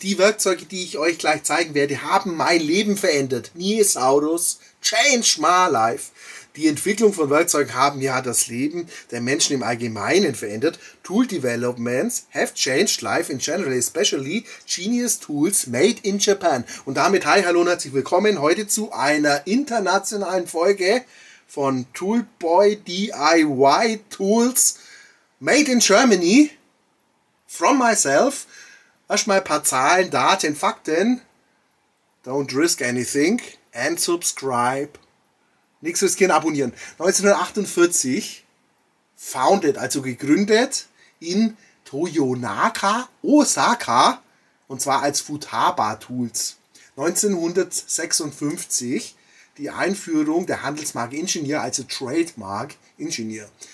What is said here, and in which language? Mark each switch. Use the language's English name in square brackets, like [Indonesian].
[German] Die Werkzeuge, die ich euch gleich zeigen werde, haben mein Leben verändert. [English] Nils Audus, change my life. [German] Die Entwicklung von Werkzeugen haben ja das Leben der Menschen im Allgemeinen verändert. [English] Tool developments have changed life in general, especially genius tools made in Japan. [German] Und damit, hi, hallo und herzlich willkommen heute zu einer internationalen Folge von Toolboy DIY Tools. [English] Made in Germany, from myself. [German] Erstmal ein paar Zahlen, Daten, Fakten. [English] Don't risk anything and subscribe. [German] Nichts riskieren, abonnieren. 1948 founded, also gegründet in Toyonaka, Osaka, und zwar als Futaba Tools. 1956 die Einführung der Handelsmarke Ingenieur, also Trademark Ingenieur.